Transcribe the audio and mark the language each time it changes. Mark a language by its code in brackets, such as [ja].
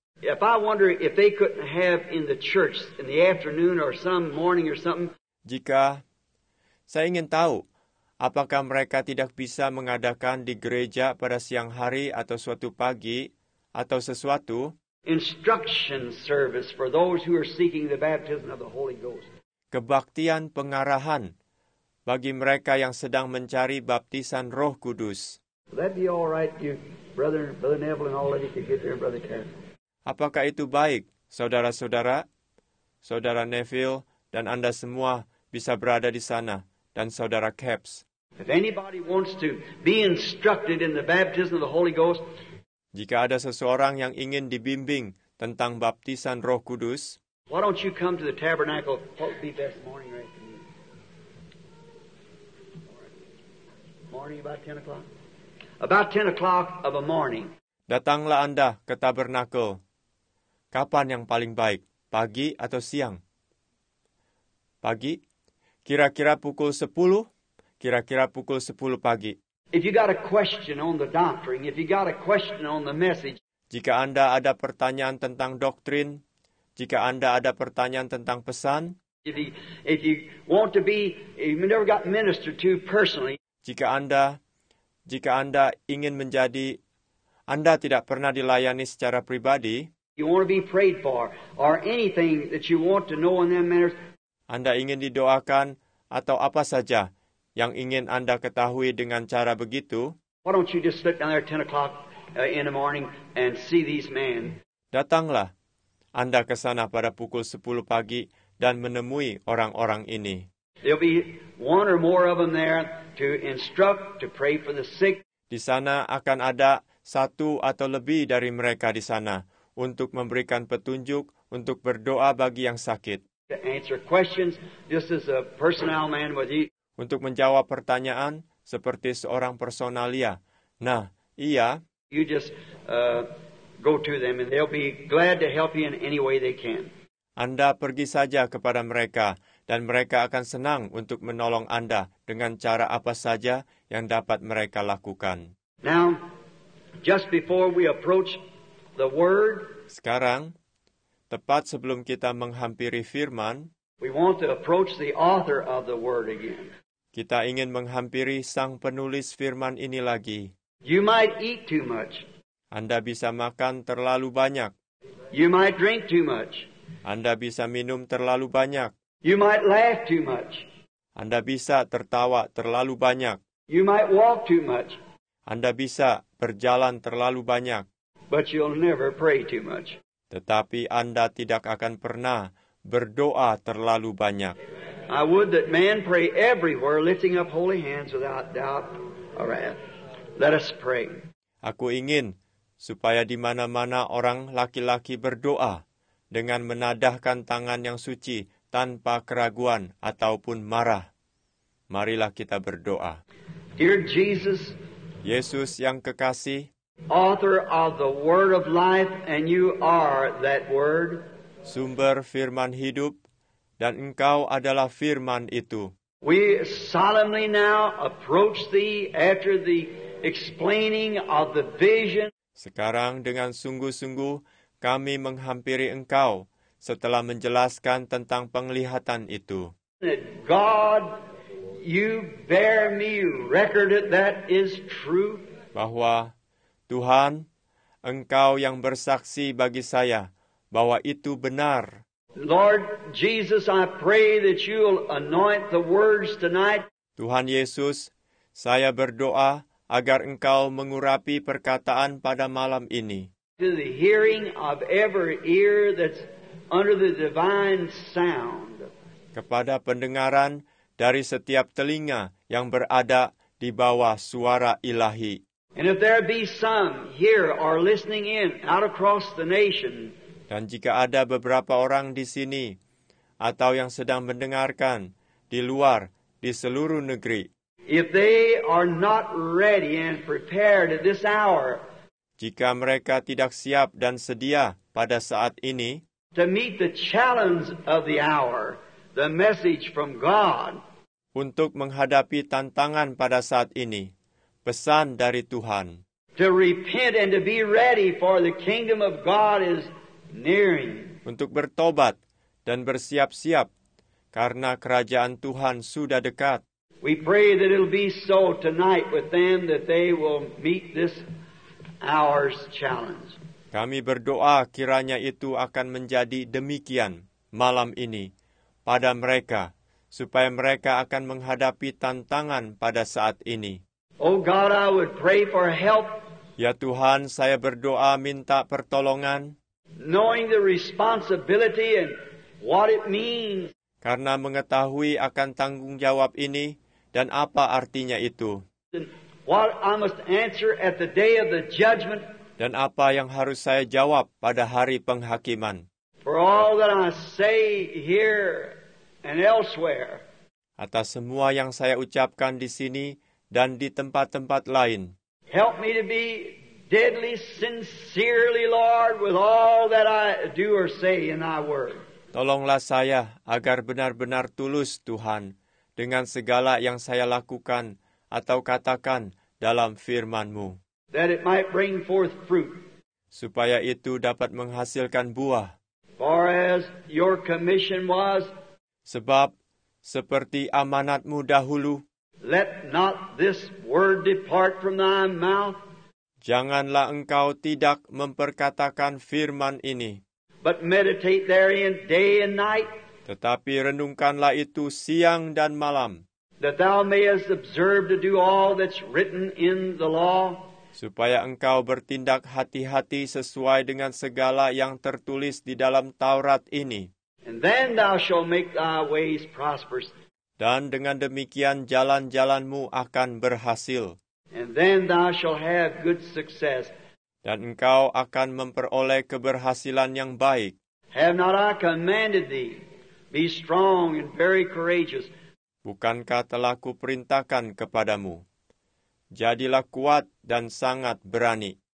[en] If I wonder if they couldn't have in the church in the afternoon or some morning or something. [id] Jika saya ingin tahu, apakah mereka tidak bisa mengadakan di gereja pada siang hari atau suatu pagi atau sesuatu? [en] Instruction service for those who are seeking the baptism of the Holy Ghost. [id] Kebaktian pengarahan bagi mereka yang sedang mencari baptisan Roh Kudus. [en] That'd be all right, you, brother Neville and all that you could get there, brother Ken. [id] Apakah itu baik, saudara-saudara, saudara Neville, dan Anda semua bisa berada di sana, dan saudara Caps? [en] If anybody wants to be instructed in the baptism of the Holy Ghost, [id] jika ada seseorang yang ingin dibimbing tentang baptisan Roh Kudus, [en] why don't you come to the tabernacle, what would be best, morning or afternoon? Morning, about 10 o'clock? About 10 o'clock of a morning. [id] Datanglah Anda ke tabernacle. Kapan yang paling baik? Pagi atau siang? Pagi? Kira-kira pukul 10? Kira-kira pukul 10 pagi. [en] If you got a question on the doctrine, if you got a question on the message. [id] Jika Anda ada pertanyaan tentang doktrin, jika Anda ada pertanyaan tentang pesan. [en] If you never got ministered to personally. [id] Jika Anda ingin menjadi, Anda tidak pernah dilayani secara pribadi. [en] You want to be prayed for, or anything that you want to know in that manner. [id] Anda ingin didoakan atau apa saja yang ingin Anda ketahui dengan cara begitu. [en] Why don't you just slip down there at 10 o'clock in the morning and see these men? [id] Datanglah Anda ke sana pada pukul 10 pagi dan menemui orang-orang ini. [en] There'll be one or more of them there to instruct, to pray for the sick. [id] Di sana akan ada satu atau lebih dari mereka di sana untuk memberikan petunjuk, untuk berdoa bagi yang sakit. [en] To answer questions, just as a personnel man with you. [id] Untuk menjawab pertanyaan seperti seorang personalia. Nah, iya. [en] You just go to them and they'll be glad to help you in any way they can. [id] Anda pergi saja kepada mereka. Dan mereka akan senang untuk menolong Anda dengan cara apa saja yang dapat mereka lakukan. [en] Now, just before we approach the word, [id] sekarang, tepat sebelum kita menghampiri firman, [en] we want to approach the author of the word again. [id] Kita ingin menghampiri sang penulis firman ini lagi. [en] You might eat too much. [id] Anda bisa makan terlalu banyak. [en] You might drink too much. [id] Anda bisa minum terlalu banyak. [en] You might laugh too much. [id] Anda bisa tertawa terlalu banyak. [en] You might walk too much. [id] Anda bisa berjalan terlalu banyak. [en] But you'll never pray too much. [id] Tetapi Anda tidak akan pernah berdoa terlalu banyak. [en] I would that man pray everywhere, lifting up holy hands without doubt or wrath. Let us pray. [id] Aku ingin supaya di mana-mana orang laki-laki berdoa dengan menadahkan tangan yang suci, tanpa keraguan ataupun marah. Marilah kita berdoa. [en] Dear Jesus, [id] Yesus yang kekasih, [en] author of the word of life, and you are that word. [id] sumber firman hidup, dan Engkau adalah firman itu. [en] We solemnly now approach Thee after the explaining of the vision. [id] Sekarang dengan sungguh-sungguh kami menghampiri Engkau setelah menjelaskan tentang penglihatan itu. [en] God, You bear me record that is true. [id] Bahwa Tuhan, Engkau yang bersaksi bagi saya bahwa itu benar. [en] Lord Jesus, I pray that You'll anoint the words tonight. [id] Tuhan Yesus, saya berdoa agar Engkau mengurapi perkataan pada malam ini. [en] To the hearing of every ear that's under the divine sound. [id] Kepada pendengaran dari setiap telinga yang berada di bawah suara ilahi. [en] And if there be some here or listening in out across the nation. [id] Dan jika ada beberapa orang di sini atau yang sedang mendengarkan di luar di seluruh negeri. [en] If they are not ready and prepared at this hour. [id] Jika mereka tidak siap dan sedia pada saat ini. [en] To meet the challenge of the hour, the message from God. [id] Untuk menghadapi tantangan pada saat ini, pesan dari Tuhan. [en] To repent and to be ready for the kingdom of God is nearing. [id] Untuk bertobat dan bersiap-siap karena kerajaan Tuhan sudah dekat. [en] We pray that it'll be so tonight with them that they will meet this hour's challenge. [id] Kami berdoa kiranya itu akan menjadi demikian malam ini pada mereka, supaya mereka akan menghadapi tantangan pada saat ini. [en] Oh God, I would pray for help. [id] Ya Tuhan, saya berdoa minta pertolongan. [en] Knowing the responsibility and what it means. [id] Karena mengetahui akan tanggung jawab ini dan apa artinya itu. [en] And what I must answer at the day of the judgment. [id] Dan apa yang harus saya jawab pada hari penghakiman. [en] For all that I say here and elsewhere. [id] Atas semua yang saya ucapkan di sini dan di tempat-tempat lain. [en] Help me to be deadly sincerely, Lord, with all that I do or say in Thy word. [id] Tolonglah saya agar benar-benar tulus, Tuhan, dengan segala yang saya lakukan atau katakan dalam firman-Mu. [en] That it might bring forth fruit. [id] Supaya itu dapat menghasilkan buah. [en] For as your commission was, [id] sebab seperti amanat-Mu dahulu, [en] let not this word depart from thy mouth, [id] janganlah Engkau tidak memperkatakan firman ini, [en] but meditate therein day and night, [id] tetapi renungkanlah itu siang dan malam, [en] that thou mayest observe to do all that's written in the law, [id] supaya Engkau bertindak hati-hati sesuai dengan segala yang tertulis di dalam Taurat ini. [en] And then thou shalt make thy ways prosperous. [id] Dan dengan demikian jalan-jalan-Mu akan berhasil. [en] And then thou shalt have good success. [id] Dan Engkau akan memperoleh keberhasilan yang baik. [en] Have not I commanded thee, be strong and very courageous. [id] Bukankah telah kuperintahkan kepadamu? Jadilah kuat dan sangat berani.